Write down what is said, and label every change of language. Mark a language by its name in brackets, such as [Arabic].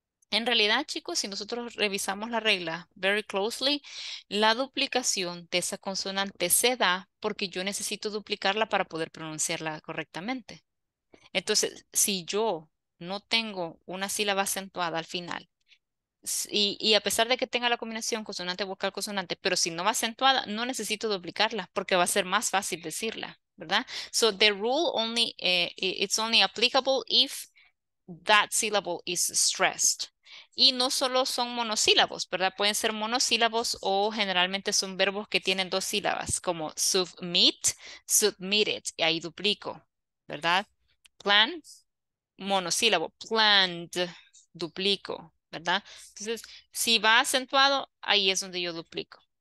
[Spanish] En realidad, chicos, si nosotros revisamos la regla [English] very closely, [Spanish] la duplicación de esa consonante se da porque yo necesito duplicarla para poder pronunciarla correctamente. Entonces, si yo no tengo una sílaba acentuada al final, y a pesar de que tenga la combinación consonante, vocal, consonante, pero si no va acentuada, no necesito duplicarla porque va a ser más fácil decirla, ¿verdad? [English] So the rule only, it's only applicable if that syllable is stressed. [Spanish] Y no solo son monosílabos, ¿verdad? Pueden ser monosílabos o generalmente son verbos que tienen dos sílabas, como submit, submitted, y ahí duplico, ¿verdad? Plan, monosílabo, planned, duplico, ¿verdad? Entonces, si va acentuado, ahí es donde yo duplico.